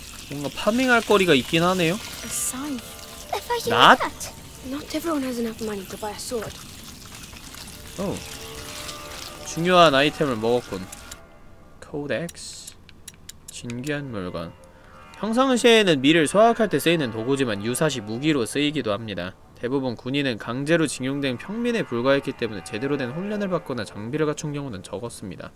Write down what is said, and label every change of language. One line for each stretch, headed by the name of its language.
Korean: 뭔가 파밍할 거리가 있긴 하네요. 낫?
English: Not everyone has enough money to buy a sword. Oh.
Korean: 중요한 아이템을 먹었군. 코덱스. 진귀한 물건. 평상시에는 미를 소각할 때 쓰이는 도구지만 유사시 무기로 쓰이기도 합니다. 대부분 군인은 강제로 징용된 평민에 불과했기 때문에 제대로 된 훈련을 받거나 장비를 갖춘 경우는 적었습니다.